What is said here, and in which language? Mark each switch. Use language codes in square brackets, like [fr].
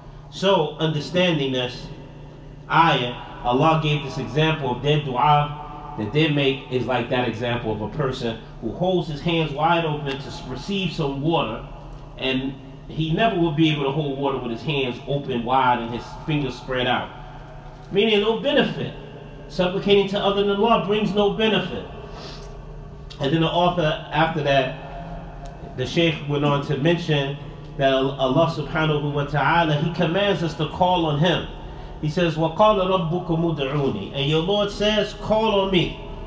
[en] So understanding this ayah, Allah gave this example of their dua that they make is like that example of a person who holds his hands wide open to receive some water, and he never will be able to hold water with his hands open wide and his fingers spread out. Meaning no benefit. Supplicating to other than Allah brings no benefit. And then the author after that, the Shaykh went on to mention that Allah subhanahu wa ta'ala, he commands us to call on him. He says, [ar] وَقَالَ رَبُّكُمُ دَعُونِي. [en] And your Lord says, call on me.